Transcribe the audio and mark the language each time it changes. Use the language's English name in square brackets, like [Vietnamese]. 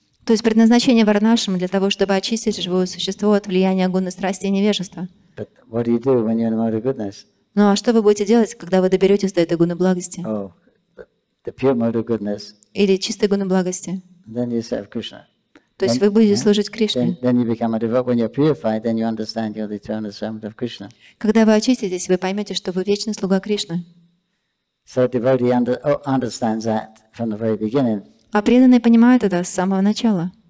[Russian] То есть предназначение Варнашрам для того, чтобы очистить живое существо от влияния гуны страсти и невежества. [English] But what do you do when you're in the mode of goodness? [Russian] Ну а что вы будете делать, когда вы доберетесь до этой гуны благости? [English] Oh, the pure mode of goodness. [Russian] Или чистой гуны благости. [English] Then you serve Krishna. [Russian] То есть вы будете служить Кришне. [English] Then you become a devotee. When you're purified, then you understand you're the eternal servant of Krishna. [Russian] Когда вы очиститесь, вы поймете, что вы вечный слуга Кришны. [English] So a devotee understands that from the very beginning. [Russian] А преданный понимает это с самого начала.